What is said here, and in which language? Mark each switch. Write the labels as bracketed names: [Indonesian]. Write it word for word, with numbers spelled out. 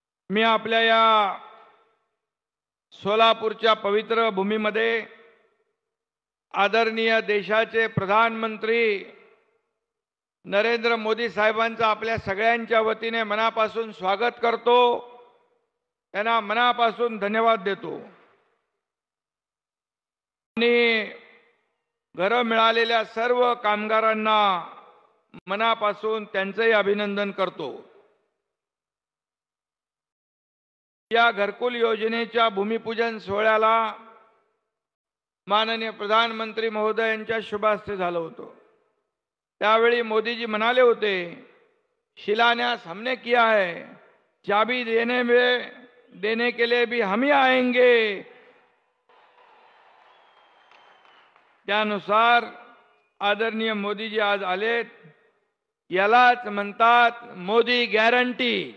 [Marathi] मी आपल्या या सोलापूरच्या पवित्र भूमीमध्ये आदरणीय देशाचे प्रधानमंत्री नरेंद्र मोदी साहेबांचं आपल्या सगळ्यांच्या वतीने मनापासून स्वागत करतो, त्यांना मनापासून धन्यवाद देतो आणि घरं मिळालेल्या सर्व कामगारांना मनापासून त्यांचंही अभिनंदन करतो. या घरकुल योजनेच्या भूमिपूजन सोहळ्याला माननीय प्रधानमंत्री महोदय यांच्या शुभ हस्ते झालं होतं. त्यावेळी मोदीजी म्हणाले होते, [Hindi] शिलान्यास हमने किया है, चाबी देने में देने के लिए भी हम ही आएंगे. [Marathi] त्यानुसार आदरणीय मोदीजी आज आलेत. यालाच म्हणतात मोदी गॅरंटी.